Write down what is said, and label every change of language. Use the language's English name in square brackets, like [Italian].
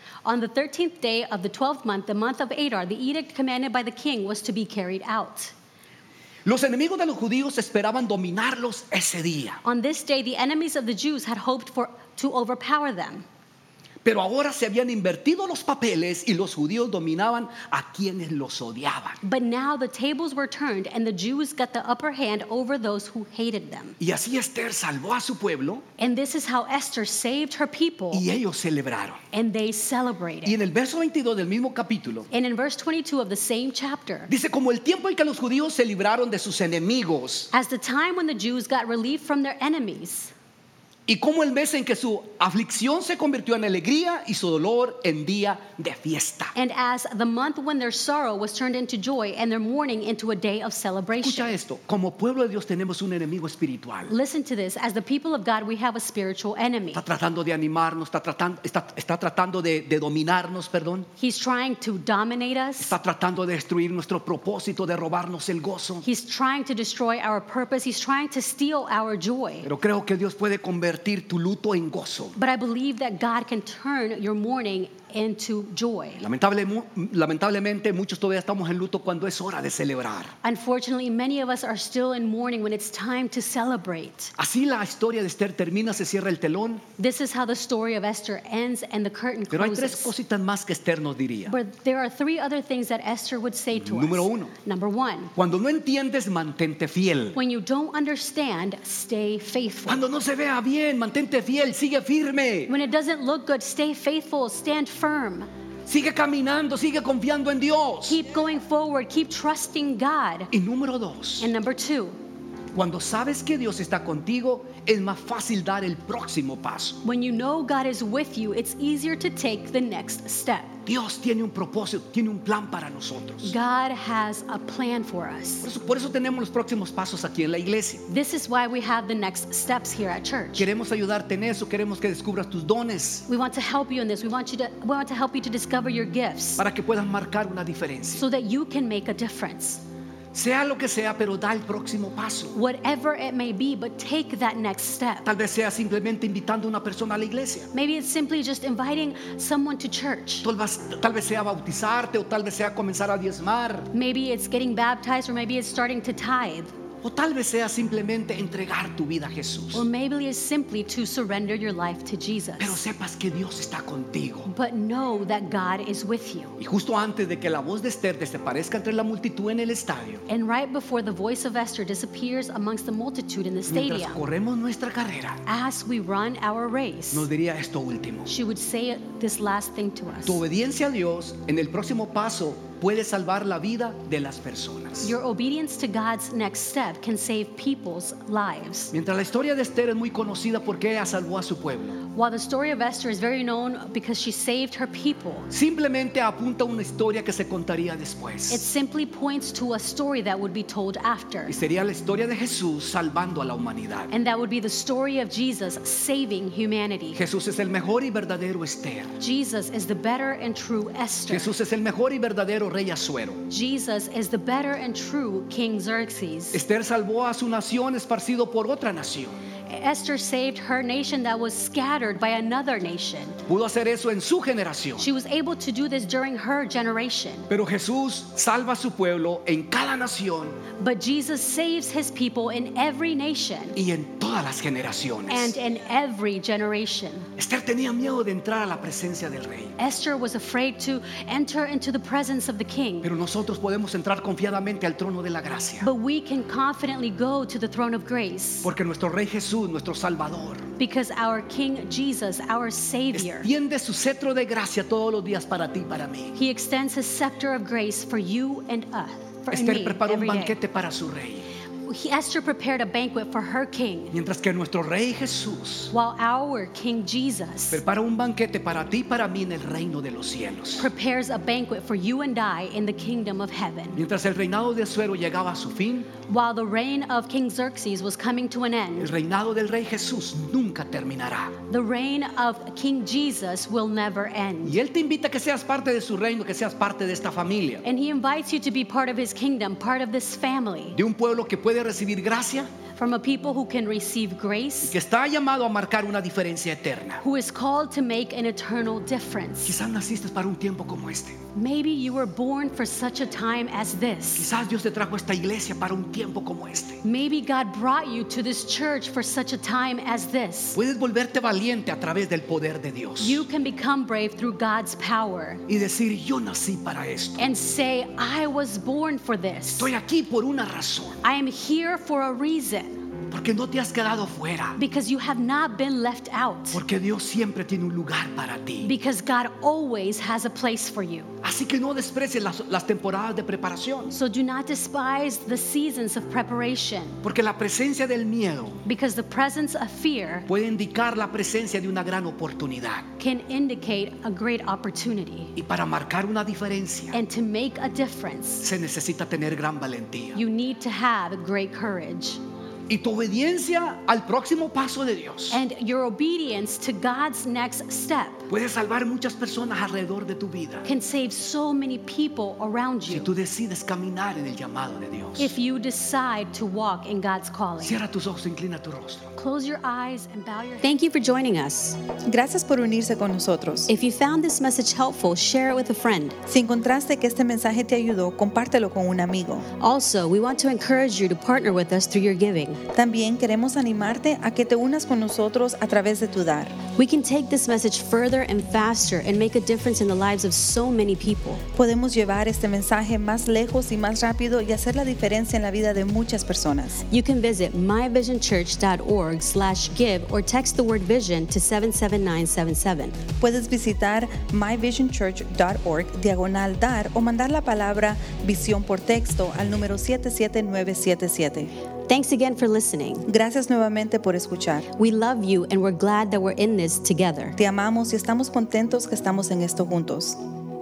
[English] On the 13th day of the 12th month, the month of Adar, the edict commanded by the king was to be carried out. [Spanish] Los enemigos de los judíos esperaban dominarlos ese día. [English] On this day, the enemies of the Jews had hoped to overpower them. [Spanish] Pero ahora se habían invertido los papeles y los judíos dominaban a quienes los odiaban. [English] But now the tables were turned and the Jews got the upper hand over those who hated them. [Spanish] Y así Esther salvó a su pueblo. [English] And this is how Esther saved her people. [Spanish] Y ellos celebraron. [English] And they celebrated. [Spanish] Y en el verso 22 del mismo capítulo. [English] And in verse 22 of the same chapter. [Spanish] Dice como el tiempo en que los judíos se libraron de sus enemigos. [English] As the time when the Jews got relief from their enemies. [Spanish] Y como el mes en que su aflicción se convirtió en alegría y su dolor en día de fiesta. [English] And as the month when their sorrow was turned into joy and their mourning into a day of celebration. [Spanish] Escucha esto, como pueblo de Dios tenemos un enemigo espiritual. [English] Listen to this, as the people of God we have a spiritual enemy. [Spanish] Está tratando de animarnos, está tratando de dominarnos, perdón. [English] He's trying to dominate us. [Spanish] Está tratando de destruir nuestro propósito, de robarnos el gozo. [English] He's trying to destroy our purpose, he's trying to steal our joy. [Spanish] Pero creo que Dios puede convertir tu luto en gozo. [English] But I believe that God can turn your mourning into joy. [Spanish] Lamentablemente, muchos todavía estamos en luto cuando es hora de celebrar. [English] Unfortunately, many of us are still in mourning when it's time to celebrate. [Spanish] Así la historia de Esther termina, se cierra el telón. [English] This is how the story of Esther ends and the curtain closes. [Spanish] Pero hay tres cositas más que Esther nos diría. [English] But there are three other things that Esther would say to us. [Spanish] Número uno. [English] Number one. [Spanish] Cuando no entiendes, mantente fiel. [English] When you don't understand, stay faithful. [Spanish] Cuando no se vea bien, mantente fiel, sigue firme. [English] When it doesn't look good, stay faithful, stand firm. [Spanish] Sigue caminando, sigue confiando en Dios. [English] Keep going forward, keep trusting God. [Spanish] Y número dos. [English] And number two. [Spanish] Cuando sabes que Dios está contigo, es más fácil dar el próximo paso. [English] When you know God is with you, it's easier to take the next step. [Spanish] Dios tiene un propósito, tiene un plan para nosotros. [English] God has a plan for us. [Spanish] Por eso tenemos los próximos pasos aquí en la iglesia. [English] This is why we have the next steps here at church. [Spanish] Queremos ayudarte en eso, queremos que descubras tus dones. [English] We want to help you in this. We want to help you to discover your gifts. [Spanish] Para que puedas marcar una diferencia. [English] So that you can make a difference. [Spanish] Sea lo que sea, pero da el próximo paso. [English] Whatever it may be, but take that next step. [Spanish] Tal vez sea simplemente invitando una persona a la iglesia. [English] Maybe it's simply just inviting someone to church. [Spanish] Tal vez sea bautizarte, o tal vez sea comenzar a diezmar. [English] Maybe it's getting baptized, or maybe it's starting to tithe. [Spanish] O tal vez sea simplemente entregar tu vida a Jesús. [English] Or maybe it's simply to surrender your life to Jesus. [Spanish] Pero sepas que Dios está contigo. [English] But know that God is with you. [Spanish] Y justo antes de que la voz de Esther desaparezca entre la multitud en el estadio. [English] And right before the voice of Esther disappears amongst the multitude in the stadium. [Spanish] Mientras corremos nuestra carrera. [English] As we run our race. [Spanish] Nos diría esto último. [English] She would say this last thing to us. [Spanish] Tu obediencia a Dios en el próximo paso puede salvar la vida de las personas. [English] Your obedience to God's next step can save people's lives. [Spanish] Mientras la historia de Esther es muy conocida porque ella salvó a su pueblo. [English] While the story of Esther is very known because she saved her people. [Spanish] Simplemente apunta una historia que se contaría después. [English] It simply points to a story that would be told after. [Spanish] Y sería la historia de Jesús salvando a la humanidad. [English] And that would be the story of Jesus saving humanity. [Spanish] Jesús es el mejor y verdadero Esther. [English] Jesus is the better and true Esther. [Spanish] Jesús es el mejor y verdadero Rey Asuero. [English] Jesus is the better and true King Xerxes. [Spanish] Esther salvó a su nación esparcido por otra nación. [English] Esther saved her nation that was scattered by another nation. [Spanish] Pudo hacer eso en su generación. [English] She was able to do this during her generation. [Spanish] Pero Jesús salva a su pueblo en cada nación. [English] But Jesus saves his people in every nation. [Spanish] Y en todas las generaciones. [English] And in every generation. [Spanish] Esther tenía miedo de entrar a la presencia del rey. [English] Esther was afraid to enter into the presence of the king. [Spanish] Pero nosotros podemos entrar confiadamente al trono de la gracia. [English] But we can confidently go to the throne of grace. [Spanish] Porque nuestro rey Jesús, nuestro salvador. [English] Because our King Jesus, our Savior. [Spanish] Extiende su cetro de gracia todos los días para ti y para mí. [English] He extends his scepter of grace for you and us. [Spanish] Esther preparó un banquete para su rey. [English] Esther prepared a banquet for her king. [Spanish] Mientras que nuestro rey Jesús, [English] while our King Jesus, [Spanish] prepara un banquete para ti y para mí en el reino de los cielos, [English] prepares a banquet for you and I in the kingdom of heaven. [Spanish] Mientras el reinado de Asuero llegaba a su fin, [English] while the reign of King Xerxes was coming to an end, [Spanish] el reinado del rey Jesús nunca terminará. [English] The reign of King Jesus will never end. [Spanish] Y él te invita a que seas parte de su reino, que seas parte de esta familia. [English] And he invites you to be part of his kingdom, part of this family. [Spanish] De un pueblo que puede recibir gracia. [English] From a people who can receive grace. [Spanish] Que está llamado a marcar una diferencia eterna. [English] Who is called to make an eternal difference. [Spanish] Quizás naciste para un tiempo como este. [English] Maybe you were born for such a time as this. [Spanish] Quizás Dios te trajo esta iglesia para un tiempo como este. [English] Maybe God brought you to this church for such a time as this. [Spanish] Puedes volverte valiente a través del poder de Dios. [English] You can become brave through God's power. [Spanish] Y decir, yo nací para esto. [English] And say, I was born for this. [Spanish] Estoy aquí por una razón. [English] I am here for a reason. [Spanish] Porque no te has quedado fuera. [English] Because you have not been left out. [Spanish] Porque Dios siempre tiene un lugar para ti. [English] Because God always has a place for you. [Spanish] Así que no desprecies las temporadas de preparación. [English] So do not despise the seasons of preparation. [Spanish] Porque la presencia del miedo. [English] Because the presence of fear. [Spanish] Puede indicar la presencia de una gran oportunidad. [English] Can indicate a great opportunity. [Spanish] Y para marcar una diferencia. [English] And to make a difference. [Spanish] Se necesita tener gran valentía. [English] You need to have great courage. [Spanish] Y tu obediencia al próximo paso de Dios. [English] And your obedience to God's next step. [Spanish] Puede salvar muchas personas alrededor de tu vida. [English] Can save so many people around you. [Spanish] Si tú decides caminar en el llamado de Dios. [English] If you decide to walk in God's calling. [Spanish] Cierra tus ojos, inclina tu rostro. [English] Close your eyes and bow your head. Thank you for joining us. [Spanish] Gracias por unirse con nosotros. [English] If you found this message helpful, share it with a friend. [Spanish] Si encontraste que este mensaje te ayudó, compártelo con un amigo. [English] Also, we want to encourage you to partner with us through your giving. [Spanish] También queremos animarte a que te unas con nosotros a través de tu dar. [English] We can take this message further and faster and make a difference in the lives of so many people. [Spanish] Podemos llevar este mensaje más lejos y más rápido y hacer la diferencia en la vida de muchas personas. [English] You can visit myvisionchurch.org/give or text the word vision to 77977. [Spanish] Puedes visitar myvisionchurch.org/dar o mandar la palabra visión por texto al número 77977. [English] Thanks again for listening. [Spanish] Gracias nuevamente por escuchar. [English] We love you and we're glad that we're in this together. [Spanish] Te amamos y estamos contentos que estamos en esto juntos.